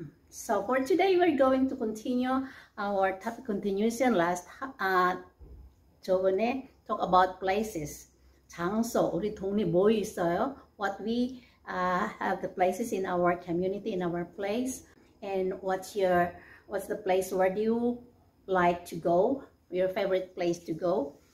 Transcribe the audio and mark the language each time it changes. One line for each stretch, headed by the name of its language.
English: So for today, we're going to continue our topic continuation last
Korean: 저번에
English: talk about places.
Korean: 장소, 우리 동네 뭐 있어요?
English: What we have the places in our community, in our place, and what's the place where do you like to go, your favorite place to go.